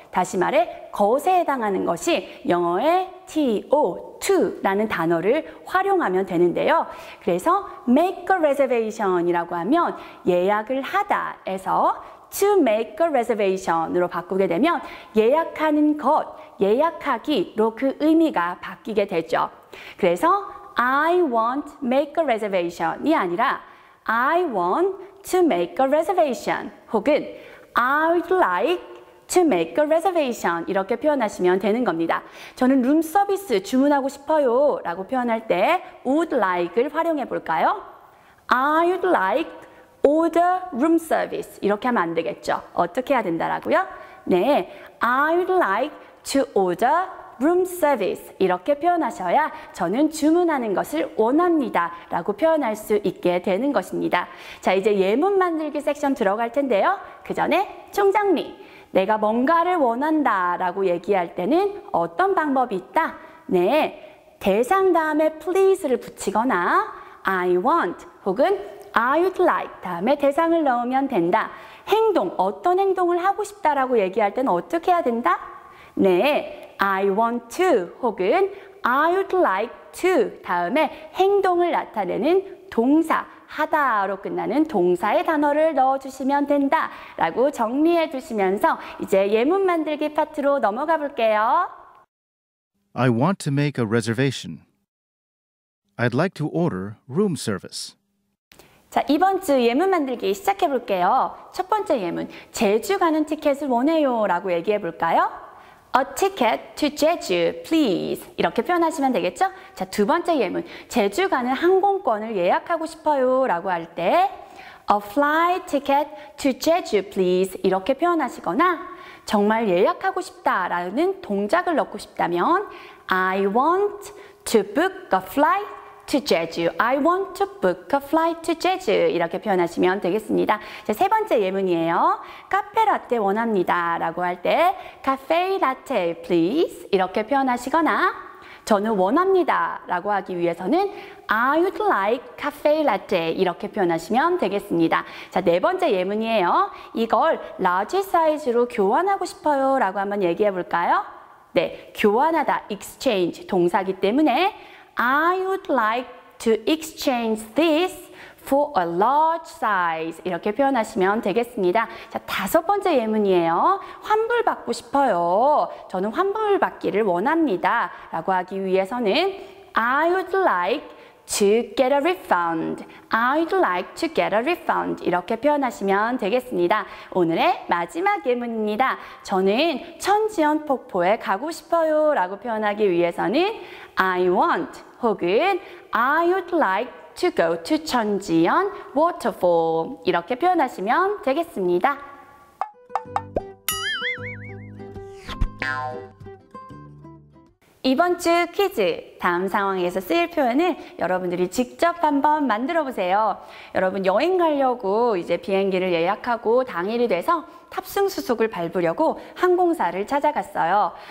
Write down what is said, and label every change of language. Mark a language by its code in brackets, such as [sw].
[ko] 다시 말해 것에 해당하는 것이 영어의 to라는 단어를 활용하면 되는데요. 그래서 [en] make a reservation [ko] 이라고 하면 예약을 하다에서 [en] to make a reservation [ko] 으로 바꾸게 되면 예약하는 것, 예약하기로 그 의미가 바뀌게 되죠. 그래서 [en] I want make a reservation이 아니라 I want to make a reservation [ko] 혹은 [en] I'd like to make a reservation [ko] 이렇게 표현하시면 되는 겁니다. 저는 룸 서비스 주문하고 싶어요 라고 표현할 때 would like을 활용해 볼까요? [en] I would like order room service [ko] 이렇게 하면 안 되겠죠. 어떻게 해야 된다라고요? 네, [en] I would like to order room service [ko] 이렇게 표현하셔야 저는 주문하는 것을 원합니다 라고 표현할 수 있게 되는 것입니다. 자, 이제 예문 만들기 섹션 들어갈 텐데요. 그 전에 총정리! 내가 뭔가를 원한다 라고 얘기할 때는 어떤 방법이 있다? 네, 대상 다음에 please를 붙이거나 [en] I want [ko] 혹은 [en] I would like [ko] 다음에 대상을 넣으면 된다. 행동, 어떤 행동을 하고 싶다 라고 얘기할 때는 어떻게 해야 된다? 네, [en] I want to [ko] 혹은 [en] I would like to [ko] 다음에 행동을 나타내는 동사 하다로 끝나는 동사의 단어를 넣어주시면 된다 라고 정리해 주시면서 이제 예문 만들기 파트로 넘어가 볼게요. [en] I want to make a reservation. I'd like to order room service. [ko] 자, 이번 주 예문 만들기 시작해 볼게요. 첫 번째 예문, 제주 가는 티켓을 원해요 라고 얘기해 볼까요? [en] A ticket to Jeju, please. [ko] 이렇게 표현하시면 되겠죠? 자, 두 번째 예문. 제주 가는 항공권을 예약하고 싶어요 라고 할 때 [en] A flight ticket to Jeju, please. [ko] 이렇게 표현하시거나 정말 예약하고 싶다라는 동작을 넣고 싶다면 [en] I want to book a flight to Jeju. I want to book a flight to Jeju. [ko] 이렇게 표현하시면 되겠습니다. 자, 세 번째 예문이에요. 카페 라떼 원합니다. 라고 할 때 카페 라떼 please. 이렇게 표현하시거나 저는 원합니다. 라고 하기 위해서는 [en] I would like cafe latte. [ko] 이렇게 표현하시면 되겠습니다. 자, 네 번째 예문이에요. 이걸 large size로 교환하고 싶어요. 라고 한번 얘기해 볼까요? 네, 교환하다, [en] exchange, [ko] 동사기 때문에 [en] I would like to exchange this for a large size. [ko] 이렇게 표현하시면 되겠습니다. 자, 다섯 번째 예문이에요. 환불 받고 싶어요. 저는 환불 받기를 원합니다. [en] 라고 하기 위해서는 I would like to get a refund. I'd like to get a refund. [ko] 이렇게 표현하시면 되겠습니다. 오늘의 마지막 예문입니다. 저는 천지연 폭포에 가고 싶어요. 라고 표현하기 위해서는 [en] I want [ko] 혹은 [en] I'd like to go to 천지연 waterfall. [ko] 이렇게 표현하시면 되겠습니다. 이번 주 퀴즈, 다음 상황에서 쓰일 표현을 여러분들이 직접 한번 만들어 보세요. 여러분, 여행 가려고 이제 비행기를 예약하고 당일이 돼서 탑승 수속을 밟으려고 항공사를 찾아갔어요.